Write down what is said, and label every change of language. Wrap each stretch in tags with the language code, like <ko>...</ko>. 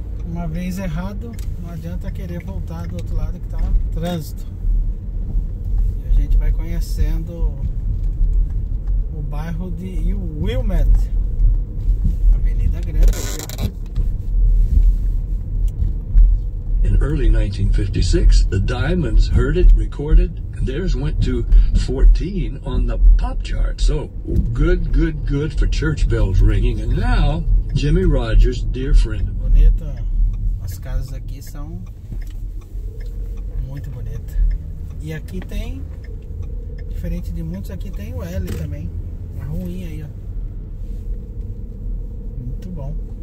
<pt>Uma vez errado, não adianta querer voltar do outro lado que tá trânsito. A gente vai conhecendo o bairro de Wilmette, avenida grande.</pt> <en>In early 1956, the Diamonds heard it recorded, and theirs went to 14 on the pop chart. So, good for church bells ringing. And now, Jimmy Rogers, dear friend.</en> <pt>Bonita. As casas aqui são muito bonitas. E aqui tem, diferente de muitos, aqui tem o L também. Uma ruim aí, ó. Muito bom.</pt>